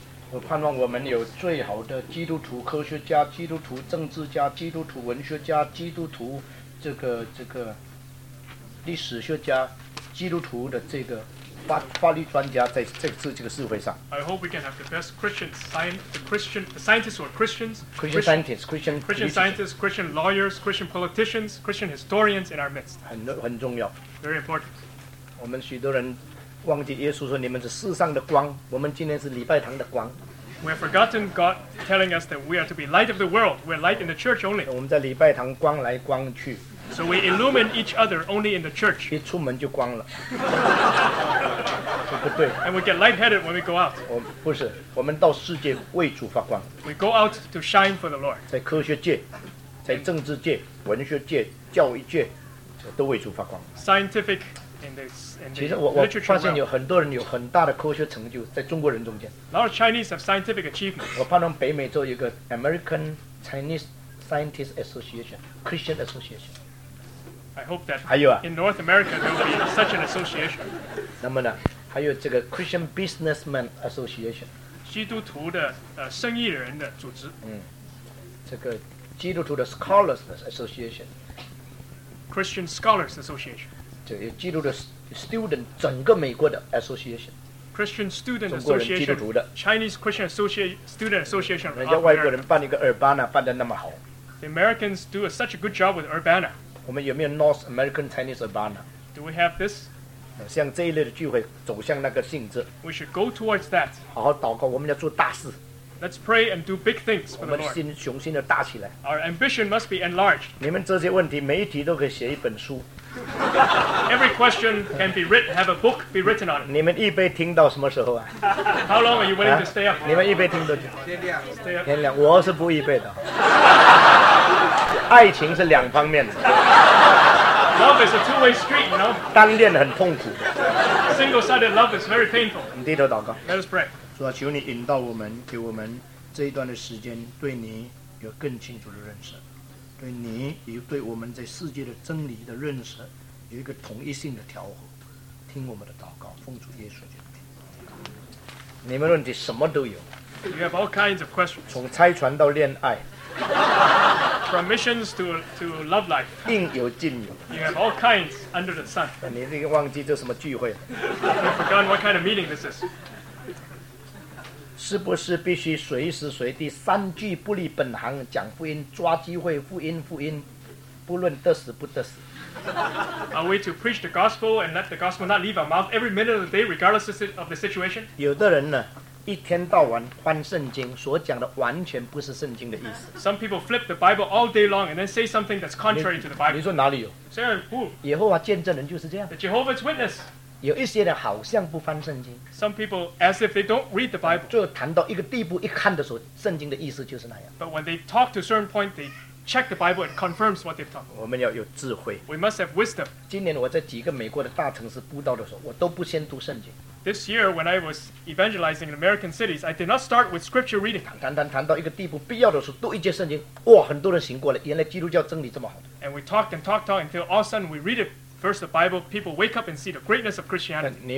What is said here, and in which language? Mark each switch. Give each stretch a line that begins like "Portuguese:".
Chinese: 我盼望我们有最好的基督徒科学家、基督徒政治家、基督徒文学家、基督徒这个历史学家、基督徒的这个法律专家在这个社会上。
English: I hope we can have the best Christian scientists or Christians. Christian scientists, Christian lawyers, Christian politicians, Christian historians in our midst.
Chinese: 很重要。
English: Very important.
Chinese: 我们许多人忘记耶稣说你们是世上的光，我们今天是礼拜堂的光。
English: We have forgotten God telling us that we are to be light of the world. We are light in the church only.
Chinese: 我们在礼拜堂光来光去。
English: So we illumine each other only in the church.
Chinese: 一出门就光了。不对。
English: And we get lightheaded when we go out.
Chinese: 不是，我们到世界为主发光。
English: We go out to shine for the Lord.
Chinese: 在科学界、在政治界、文学界、教育界，都为主发光。
English: Scientific.
Chinese: 其实我发现有很多人有很大的科学成就在中国人中间。
English: A lot of Chinese have scientific achievements.
Chinese: 我盼望北美做一个
English: American Chinese Scientist Association, Christian Association. I hope that in North America there will be such an association.
Chinese: 那么呢，还有这个
English: Christian Businessman Association.
Chinese: 基督徒的生意人的组织。这个基督徒的
English: Scholars Association. Christian Scholars Association.
Chinese: 基督的 student 整个美国的 association
English: Christian student
Chinese: 中国人基督徒的
English: Chinese Christian student association
Chinese: 人家外国人办一个 Urbana 办得那么好。
English: The Americans do such a good job with Urbana.
Chinese: 我们有没有
English: North American Chinese Urbana? Do we have this?
Chinese: 像这一类的聚会走向那个性质。
English: We should go towards that.
Chinese: 好好祷告，我们要做大事。
English: Let's pray and do big things for the Lord.
Chinese: 我们心雄心的大起来。
English: Our ambition must be enlarged.
Chinese: 你们这些问题媒体都可以写一本书。
English: Every question can be written, have a book be written on it.
Chinese: 你们预备听到什么时候啊？
English: How long are you willing to stay up?
Chinese: 你们预备听多久？天亮。天亮，我是不预备的。爱情是两方面的。
English: Love is a two-way street, you know?
Chinese: 单恋很痛苦的。
English: Single-sided love is very painful.
Chinese: 你低头祷告。
English: Let us pray.
Chinese: 主啊，求你引导我们，给我们这一段的时间，对你有更清楚的认识。对你与对我们在世界的真理的认识有一个统一性的调和，听我们的祷告，奉主耶稣基督。你们问题什么都有。
English: You have all kinds of questions.
Chinese: 从拆船到恋爱。
English: From missions to love life.
Chinese: 应有尽有。
English: You have all kinds under the sun.
Chinese: 你这个忘记这什么聚会了。
English: You've forgotten what kind of meeting this is.
Chinese: 是不是必须随时随地三句不离本行讲福音，抓机会福音，不论得死不得死
English: ？Are we to preach the gospel and let the gospel not leave our mouth every minute of the day, regardless of the situation?
Chinese: 有的人呢，一天到晚翻圣经，所讲的完全不是圣经的意思。
English: Some people flip the Bible all day long and then say something that's contrary to the Bible.
Chinese: 你说哪里有？谁有不？耶和华见证人就是这样。
English: The Jehovah's Witness.
Chinese: 有一些人好像不翻圣经。
English: Some people as if they don't read the Bible.
Chinese: 就谈到一个地步，一看的时候，圣经的意思就是那样。
English: But when they talk to a certain point, they check the Bible and confirms what they've taught.
Chinese: 我们要有智慧。
English: We must have wisdom.
Chinese: 今年我在几个美国的大城市布道的时候，我都不先读圣经。
English: This year, when I was evangelizing in American cities, I did not start with scripture reading.
Chinese: 谈到一个地步，必要的时候读一节圣经，哇，很多人醒过来，原来基督教真理这么好。
English: And we talked and talked talk until all of a sudden we read it. First, the Bible, people wake up and see the greatness of Christianity.